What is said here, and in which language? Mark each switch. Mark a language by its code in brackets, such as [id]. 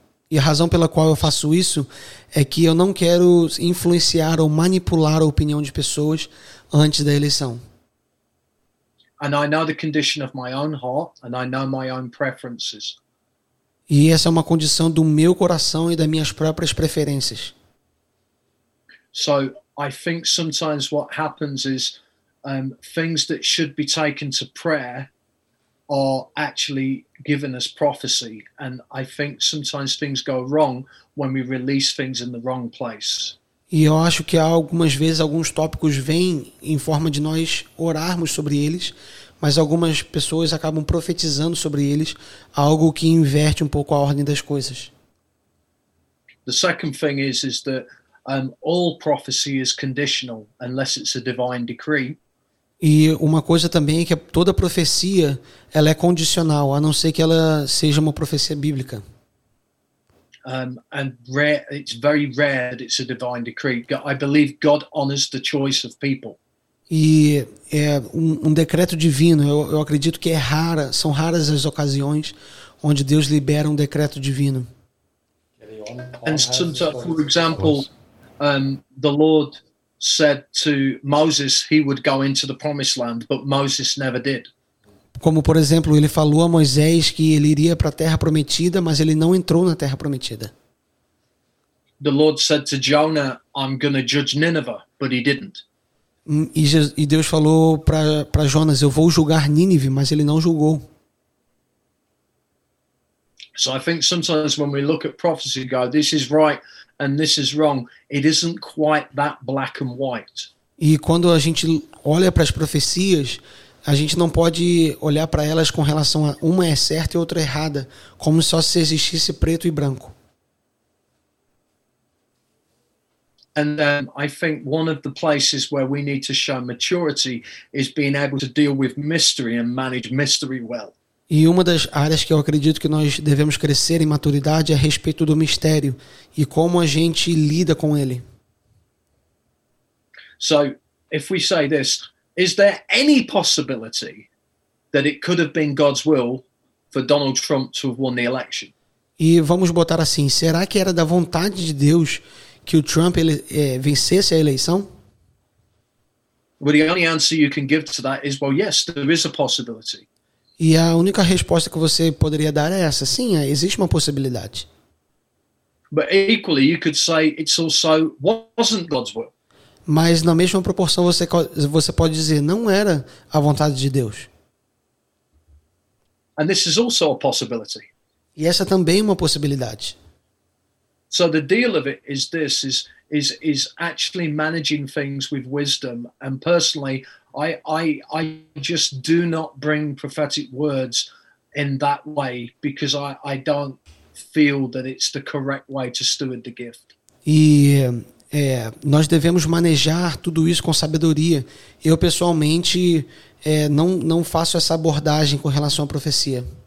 [pt] E a razão pela qual eu faço isso é que eu não quero influenciar ou manipular a opinião de pessoas antes da eleição. [en] And I know the condition of my own heart and I know my own preferences. [pt] E essa é uma condição do meu coração e das minhas próprias preferências. [en] So I think sometimes what happens is things that should be taken to prayer are actually given as prophecy. And I think sometimes things go wrong when we release things in the wrong place. [pt] E eu acho que algumas vezes alguns tópicos vêm em forma de nós orarmos sobre eles, mas algumas pessoas acabam profetizando sobre eles, algo que inverte um pouco a ordem das coisas. [en] The second thing is that all prophecy is conditional unless it's a divine decree. [pt] E uma coisa também é que toda profecia ela é condicional, a não ser que ela seja uma profecia bíblica. [en] And rare, it's very rare that it's a divine decree. I believe God honors the choice of people. [pt] E é um decreto divino. Eu acredito que são raras as ocasiões onde Deus libera um decreto divino. [en] And sometimes, for example, the Lord said to Moses he would go into the promised land, but Moses never did. [pt] Como, por exemplo, ele falou a Moisés que ele iria para a terra prometida, mas ele não entrou na terra prometida. [en] The Lord said to Jonah, I'm going to judge Nineveh, but he didn't. [pt] E Deus falou para Jonas, eu vou julgar Nínive, mas ele não julgou. [en] So I think sometimes when we look at prophecy, go, this is right and this is wrong. It isn't quite that black and white. [pt] E quando a gente olha para as profecias, a gente não pode olhar para elas com relação a uma é certa e outra é errada, como só se existisse preto e branco. [en] And I think one of the places where we need to show maturity is being able to deal with mystery and manage mystery well. [pt] E uma das áreas que eu acredito que nós devemos crescer em maturidade é a respeito do mistério e como a gente lida com ele. [en] So, if we say this, is there any possibility that it could have been God's will for Donald Trump to have won the election? [pt] E vamos botar assim, será que era da vontade de Deus que o Trump vencesse a eleição? [en] Well, the only answer you can give to that is, well, yes, there is a possibility. [pt] E a única resposta que você poderia dar é essa, sim, existe uma possibilidade. [en] But equally, you could say it's also wasn't God's will. [pt] Mas na mesma proporção você pode dizer não era a vontade de Deus. [en] And this is also a possibility. [pt] E essa também é uma possibilidade. [en] So the deal of it is this is actually managing things with wisdom. And personally, I just do not bring prophetic words in that way because I don't feel that it's the correct way to steward the gift. [pt] E nós devemos manejar tudo isso com sabedoria. Eu pessoalmente não faço essa abordagem com relação à profecia.